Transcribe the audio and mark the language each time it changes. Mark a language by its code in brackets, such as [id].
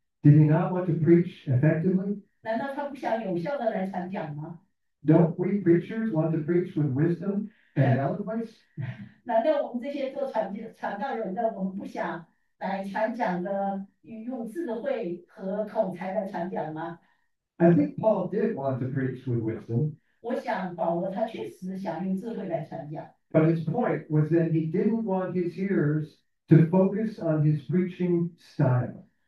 [en] Did he not want to preach effectively? [zh] 难道他不想有效地来传讲吗？ [en] Don't we preachers want to preach with wisdom and eloquence? [zh] 难道我们这些做传道人的，我们不想来传讲的，用智慧和口才来传讲吗？ [en] I think Paul did want to preach with wisdom. [zh] 我想保罗他确实想用智慧来传讲。 [en] But his point was that he didn't want his hearers to focus on his preaching style.